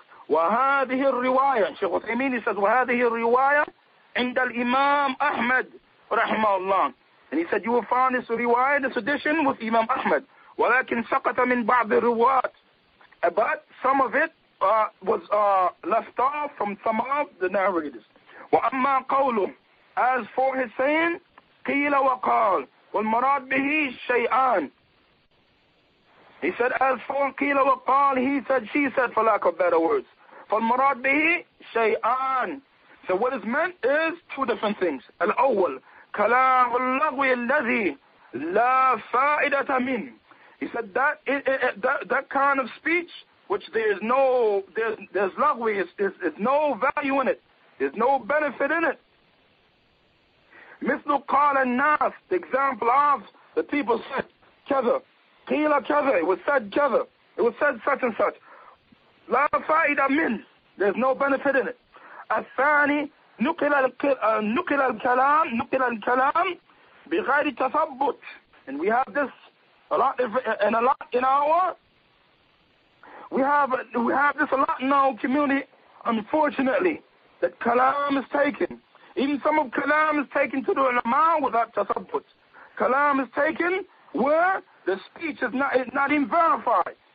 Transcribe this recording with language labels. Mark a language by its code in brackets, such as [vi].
[ar] وهذه الرواية, Shaykh Uthaymeen, [en] he says, [ar] وهذه الرواية عند الإمام أحمد رحمه الله. [en] And he said, you will find this riwayah, this edition with Imam Ahmad. [ar] ولكن سقط من بعض الروايات. [en] But some of it was left off from some of the narrators. [ar] وأما قوله, [en] as for his saying, [ar] قيل وقال والمراد به شيئان. [en] He said, as for Kila wa Qal, he said, she said, for lack of better words. [ar] فَالْمُرَادْ بِهِ شَيْئًا. [en] So what is meant is two different things. [ar] الْأَوَّلْ كَلَامُ اللَّغْوِ الَّذِي لَا فَائِدَةَ مِنْ. [en] He said that, that kind of speech, which there's no value in it. There's no benefit in it. [ar] مِثْلُ قَالَ النَّاسِ, [en] the example of the people said, [ar] كَذَا. قِيلَ كَذَا. [en] It was said [ar] كَذَا. [en] It was said such and such. [ar] لَا فَائِدَ مِنْ. [en] There's no benefit in it. [ar] الثاني نُقِلَ الْكَلَامِ بِغَيْرِ تَثَبُّتْ. [en] And we have this a lot in our community, unfortunately, that kalam is taken. Even some of kalam is taken to the ulama without tathabbut. Kalam is taken where the speech is not even verified.